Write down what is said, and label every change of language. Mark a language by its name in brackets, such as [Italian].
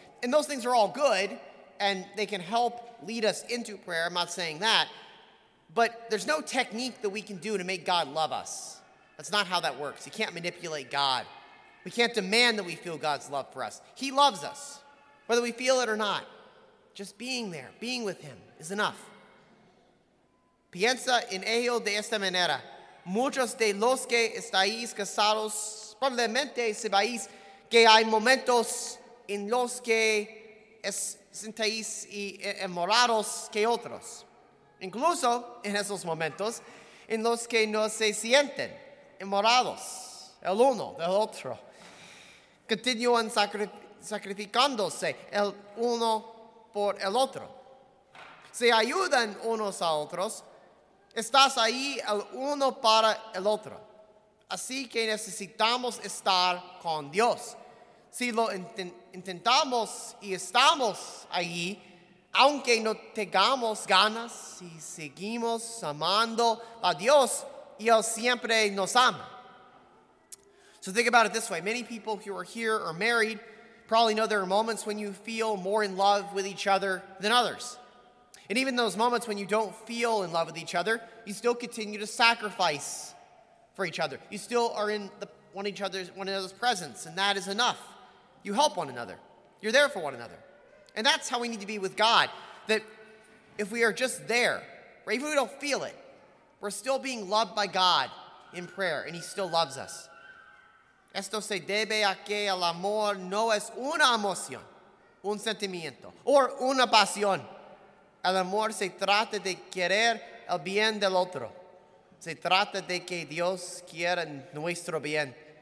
[English] And those things are all good, and they can help lead us into prayer. I'm not saying that. But there's no technique that we can do to make God love us. That's not how that works. You can't manipulate God. We can't demand that we feel God's love for us. He loves us, whether we feel it or not. Just being there, being with him, is enough. [Spanish] Piensa en ello de esta manera. Muchos de los que estáis casados probablemente sepáis que hay momentos en los que os sentáis enamorados que otros. Incluso en esos momentos en los que no se sienten enamorados el uno del otro. Continúan sacrificándose el uno por el otro. Se ayudan unos a otros. Estás ahí el uno para el otro. Así que necesitamos estar con Dios. Si lo intentamos y estamos allí, aunque no tengamos ganas, si seguimos amando a Dios, y Él siempre nos ama. [English] So think about it this way. Many people who are here or married probably know there are moments when you feel more in love with each other than others. And even those moments when you don't feel in love with each other, you still continue to sacrifice for each other. You still are in one another's presence, and that is enough. You help one another. You're there for one another. And that's how we need to be with God, that if we are just there, or even if we don't feel it, we're still being loved by God in prayer, and He still loves us. [Spanish] Esto se debe a que el amor no es una emoción, un sentimiento, or una pasión. El amor se trata de querer el bien del otro. Se trata de que Dios quiera nuestro bien.